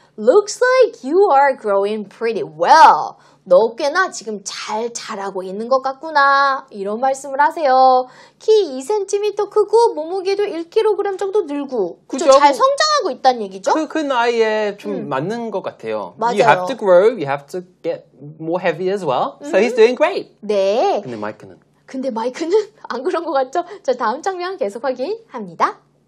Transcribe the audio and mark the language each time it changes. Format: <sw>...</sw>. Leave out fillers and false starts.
<en>Looks like you are growing pretty well.</en> <ko>너 꽤나 지금 잘 자라고 있는 것 같구나. 이런 말씀을 하세요. 키 2cm 크고 몸무게도 1kg 정도 늘고 그죠? 잘 성장하고 있다는 얘기죠? 큰 나이에 좀 맞는 것 같아요. 맞아요.</ko> <en>You have to grow, you have to get more heavy as well. So he's doing great.</en> <ko>네. 근데 마이크는? 안 그런 것 같죠? 자, 다음 장면 계속 확인합니다.</ko>